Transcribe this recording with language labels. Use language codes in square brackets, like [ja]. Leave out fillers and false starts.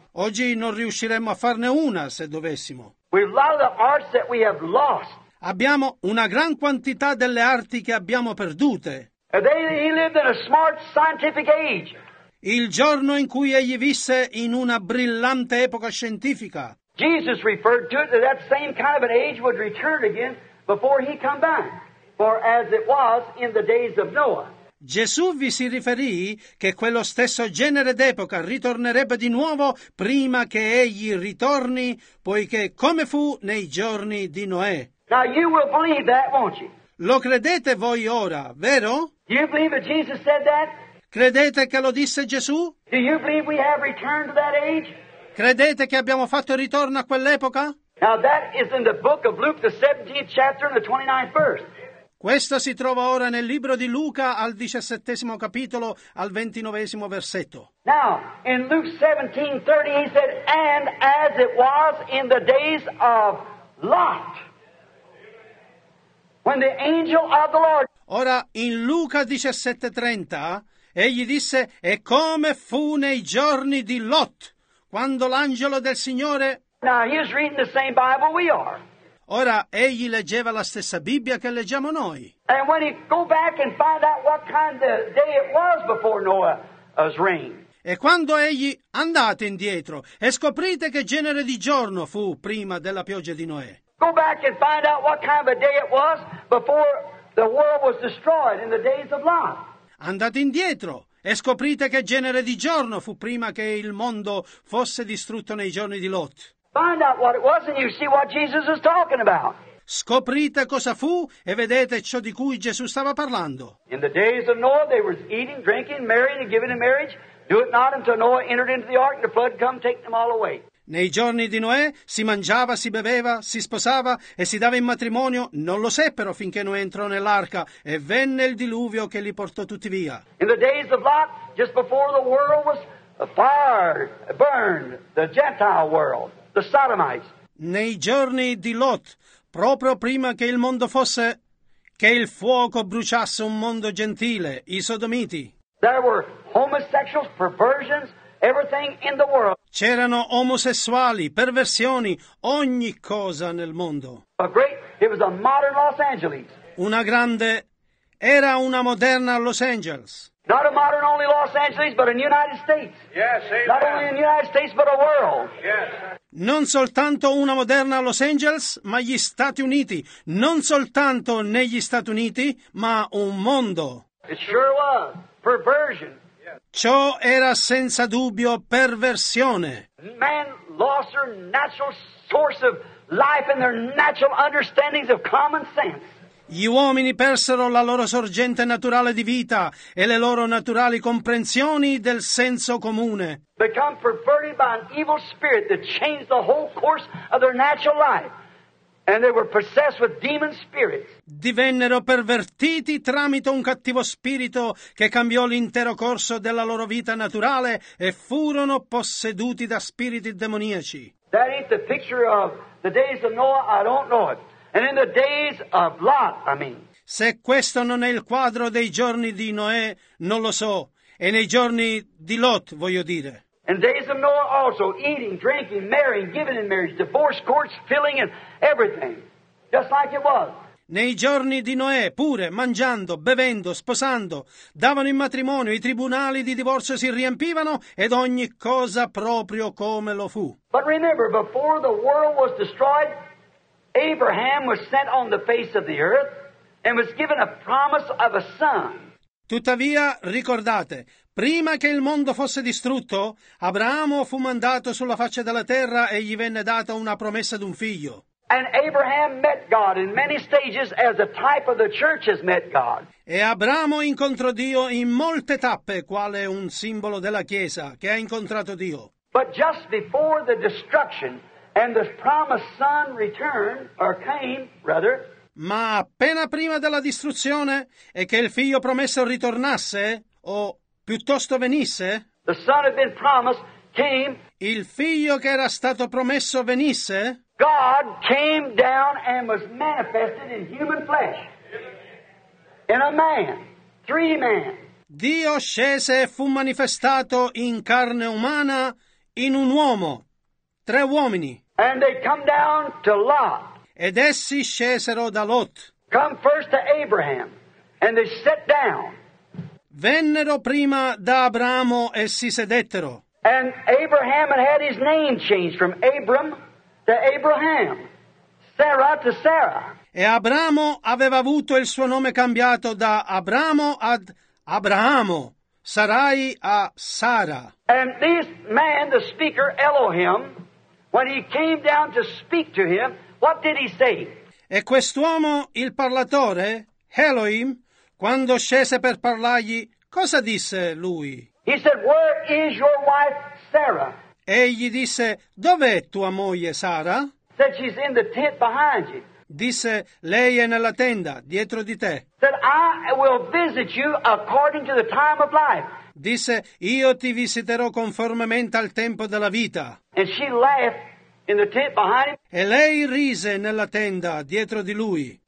[it] Oggi non riusciremmo a farne una se dovessimo. [en] We've lost the arts that we have lost. [it] Abbiamo una gran quantità delle arti che abbiamo perdute. [en] He lived in a smart scientific age. [it] Il giorno in cui egli visse in una brillante epoca scientifica. [en] Jesus referred to it that same kind of an age would return again before he come back, for as it was in the days of Noah. [it] Gesù vi si riferì che quello stesso genere d'epoca ritornerebbe di nuovo prima che egli ritorni, poiché come fu nei giorni di Noè. [en] Now you will believe that, won't you? [it] Lo credete voi ora, vero? [en] Do you believe that Jesus said that? [it] Credete che lo disse Gesù? [en] Do you believe we have returned to that age? [it] Credete che abbiamo fatto il ritorno a quell'epoca? [en] Now that is in the book of Luke, the 17th chapter and the 29th verse. [it] Questo si trova ora nel libro di Luca al 17° capitolo al 29° versetto. [en] Now, in Luke 17:30 he said, and as it was in the days of Lot. When the angel of the Lord. [it] Ora in Luca 17:30 egli disse: e come fu nei giorni di Lot, quando l'angelo del Signore. [en] Now he is reading the same Bible we are. [it] Ora egli leggeva la stessa Bibbia che leggiamo noi. [en] And when he go back and find out what kind of day it was before Noah's reign. [it] E quando egli andate indietro e scoprite che genere di giorno fu prima della pioggia di Noè. [en] Go back and find out what kind of a day it was before the world was destroyed in the days of Lot. [it] Andate indietro e scoprite che genere di giorno fu prima che il mondo fosse distrutto nei giorni di Lot. [en] Find out what it was and you see what Jesus is talking about. [it] Scoprite cosa fu e vedete ciò di cui Gesù stava parlando. [en] In the days of Noah they were eating, drinking, marrying and giving in marriage. Do it not until Noah entered into the ark and the flood come take them all away. [it] Nei giorni di Noè si mangiava, si beveva, si sposava e si dava in matrimonio. Non lo seppero finché Noè entrò nell'arca e venne il diluvio che li portò tutti via. [en] In the days of Lot, just before the world was fire, burned, the Gentile world, the Sodomites. [it] Nei giorni di Lot, proprio prima che il mondo fosse, che il fuoco bruciasse un mondo gentile, i Sodomiti. [en] There were homosexuals, perversions, everything in the world. [it] C'erano omosessuali, perversioni, ogni cosa nel mondo. [en] A great, it was a modern Los Angeles. [it] Una grande, era una moderna Los Angeles. [en] Not a modern only Los Angeles, but in the United States. Yes, not only in the United States, but a world. Yes. [it] Non soltanto una moderna Los Angeles, ma gli Stati Uniti. Non soltanto negli Stati Uniti, ma un mondo. [en] It sure was. Perversion. [it] Ciò era senza dubbio perversione. [en] Man lost their natural source of life and their natural understandings of common sense. [it] Gli uomini persero la loro sorgente naturale di vita e le loro naturali comprensioni del senso comune. [en] Become perverted by an evil spirit that changed the whole course of their natural life. And they were possessed with demon spirits. [it] Divennero pervertiti tramite un cattivo spirito che cambiò l'intero corso della loro vita naturale e furono posseduti da spiriti demoniaci. [en] That ain't the picture of the days of Noah, I don't know it. And in the days of Lot, I mean. [it] Se questo non è il quadro dei giorni di Noè, non lo so. E nei giorni di Lot, voglio dire. [en] In the days of Noah also, eating, drinking, marrying, giving in marriage, divorce courts, filling and everything. Just like it was. [it] Nei giorni di Noè pure, mangiando, bevendo, sposando, davano in matrimonio, i tribunali di divorzio si riempivano ed ogni cosa proprio come lo fu. [en] But remember, before the world was destroyed, Abraham was sent on the face of the earth and was given a promise of a son. [it] Tuttavia, ricordate, prima che il mondo fosse distrutto, Abramo fu mandato sulla faccia della terra e gli venne data una promessa d'un figlio. [en] And Abraham met God in many stages as a type of the church has met God. [it] E Abramo incontrò Dio in molte tappe, quale un simbolo della Chiesa che ha incontrato Dio. [en] But just before the destruction and the promised son returned, or came, rather, [it] ma appena prima della distruzione e che il figlio promesso ritornasse, o piuttosto venisse, [en] the son had been promised, came, [it] il figlio che era stato promesso venisse, [en] God came down and was manifested in human flesh, in a man, three men. [it] Dio scese e fu manifestato in carne umana in un uomo, tre uomini. [en] And they come down to Lot. [it] Ed essi scesero da Lot. [en] Come first to Abraham, and they sat down. [it] Vennero prima da Abramo e si sedettero. [en] And Abraham had his name changed from Abram to Abraham, Sarah to Sarah. [it] E Abramo aveva avuto il suo nome cambiato da Abramo ad Abramo, Sarai a Sara. [en] And this man, the speaker Elohim, when he came down to speak to him, what did he say? [it] E quest'uomo, il parlatore, Elohim, quando scese per parlargli, cosa disse lui? [en] He said, where is your wife, Sarah? [it] Egli disse, dov'è tua moglie, Sara? [en] Said, she's in the tent behind you. [it] Disse, lei è nella tenda, dietro di te. [en] Said, I will visit you according to the time of life. [it] Disse, io ti visiterò conformemente al tempo della vita. [en] And she laughed. In the tent behind him. [it] E lei rise nella tenda dietro di lui.